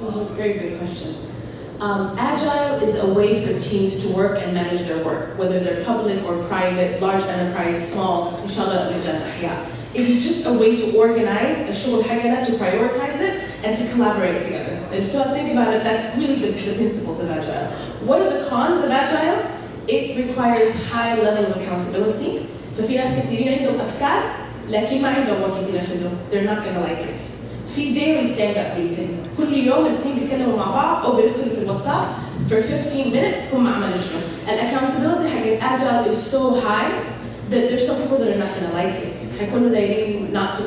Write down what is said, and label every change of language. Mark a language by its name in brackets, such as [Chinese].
[English] Those are very good questions. Agile is a way for teams to work and manage their work, whether they're public or private, large enterprise, small, inshallah, majalah, yeah. It is just a way to organize, a show of hagana, to prioritize it, and to collaborate together. And if you don't think about it, that's really the principles of agile. What are the cons of agile? It requires high level of accountability. [Arabic] ففي ناس كتيرين عندهم أفكار لكن ما عندهم وقت ينفذوا. [English] They're not gonna like it. [Arabic] في [English] daily stand-up meeting. [Arabic] كل يوم التيم بيتكلموا مع بعض أو بيرسلوا في الواتساب [English] for 15 minutes [Arabic] هم عملوا شنو. الأكونتبيلتي حق الأجايل [English] is so high that there's some people that are not gonna like it. [Arabic] حيكونوا دايرين [English] not to.